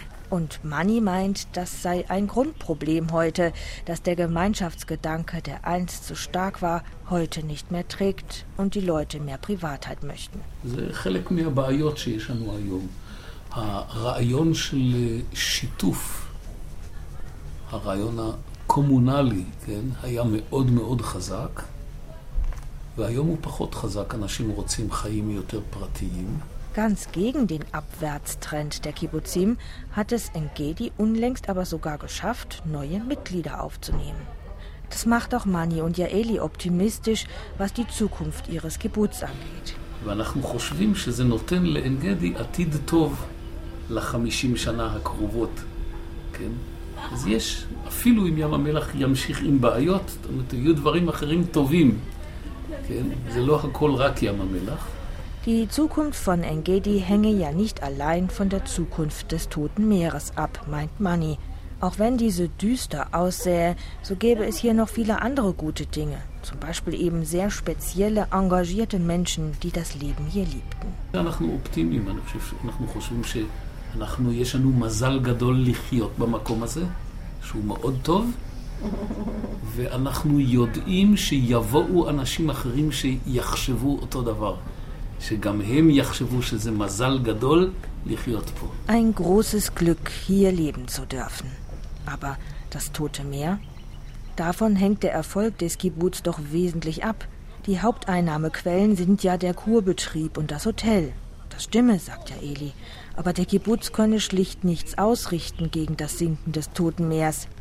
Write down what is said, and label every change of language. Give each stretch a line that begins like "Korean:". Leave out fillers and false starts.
German: Und Mani meint, das sei ein Grundproblem heute, dass der Gemeinschaftsgedanke, der einst zu stark war, heute nicht mehr trägt und die Leute mehr Privatheit möchten.
Hebrew: זה חלק מהבעיות שיש לנו היום. הרעיון של שיתוף, הרעיון הקומונלי, כן, היה מאוד מאוד חזק. והיום הוא פחות חזק, אנשים רוצים חיים יותר פרטיים.
German: Ganz gegen den Abwärtstrend der Kibbutzim hat es En Gedi unlängst aber sogar geschafft, neue Mitglieder aufzunehmen. Das macht auch Mani und Jaeli optimistisch, was die Zukunft ihres Kibbutz angeht.
Hebrew: ואנחנו חושבים שזה נותן לאן גדי עתיד טוב ל-50 שנה הקרובות, כן? אז יש, אפילו אם ים המלח ימשיך עם בעיות, זאת אומרת, יהיו דברים אחרים טובים.
German: Die Zukunft von En Gedi hänge ja nicht allein von der Zukunft des Toten Meeres ab, meint Mani. Auch wenn diese düster aussähe, so gäbe es hier noch viele andere gute Dinge. Zum Beispiel eben sehr spezielle, engagierte Menschen, die das Leben hier liebten. Wir sind optimistisch. Wir denken, dass wir ein großes Glück haben, in diesem Ort zu leben, der sehr gut ist.
Hebrew: ואנחנו יודעים שיבואו אנשים אחרים שיחשבו אותו דבר, שגם הם יחשבו שזה מזל גדול לחיות פה.
German: Ein großes Glück, hier leben zu dürfen. Aber das Tote Meer? Davon hängt der Erfolg des Kibbutz doch wesentlich ab. Die Haupteinnahmequellen sind ja der Kurbetrieb und das Hotel. Das stimme, sagt ja Eli. Aber der Kibbutz könne schlicht nichts ausrichten gegen das Sinken des Toten Meers.